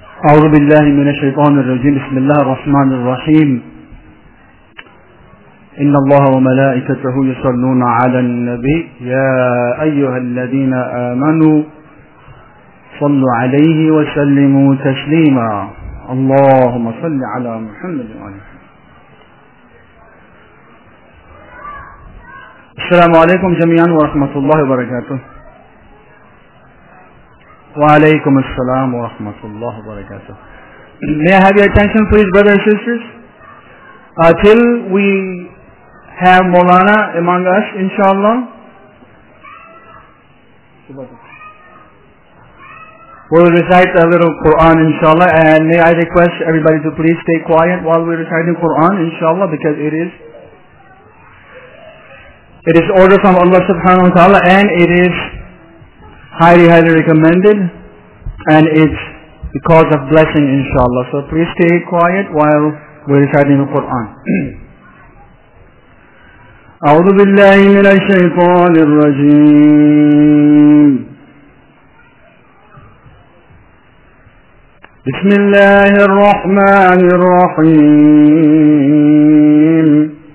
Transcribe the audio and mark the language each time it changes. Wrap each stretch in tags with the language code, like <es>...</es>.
<ar>أعوذ بالله من الشيطان الرجيم بسم الله الرحمن الرحيم إن الله وملائكته يصلون على النبي يا أيها الذين آمنوا صلوا عليه وسلموا تسليما اللهم صل على محمد وعلى آله. السلام عليكم جميعا ورحمة الله وبركاته. وعليكم السلام ورحمة الله وبركاته.</ar> <en>May I have your attention please, brothers and sisters? Till we have Maulana among us, inshallah. We'll recite a little Quran, inshallah. And may I request everybody to please stay quiet while we're reciting Quran, inshallah, because it is order from Allah subhanahu wa ta'ala, and it is highly, highly recommended. And it's because of blessing, inshallah. So please stay quiet while we're reciting the Quran.</en> <ar>أعوذ بالله من الشيطان الرجيم. بسم الله الرحمن الرحيم.</ar>